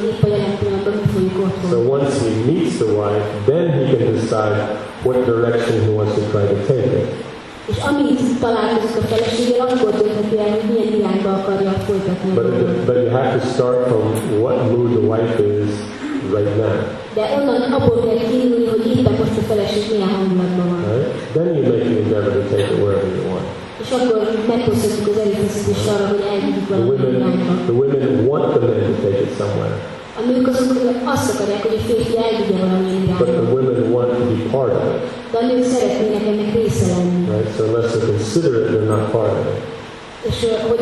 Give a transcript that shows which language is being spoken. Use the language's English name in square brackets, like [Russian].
[English] So once he meets the wife, then he can decide what direction he wants to try to take it. [Hungarian] És amit találkozik a feleséggel, akkor dönthetjük el, hogy milyen irányba akarja folytatni. [English] But you have to start from what mood the wife is right now. [Hungarian] De onnan abból kell kiindulni, hogy éppen most a feleség milyen hangulatban van. [English] Right? Then you make the endeavor to take it wherever you want. [Hungarian] És akkor megpróbáljuk az erőfeszítést arra, hogy elvigyük valami irányba. [English] The women want the men to take it somewhere. [Hungarian] A nők azt akarják, hogy a férfi elvigye valami irányba. [English] But the women want to be part of it. Right, so unless they're considerate, they're not part of it.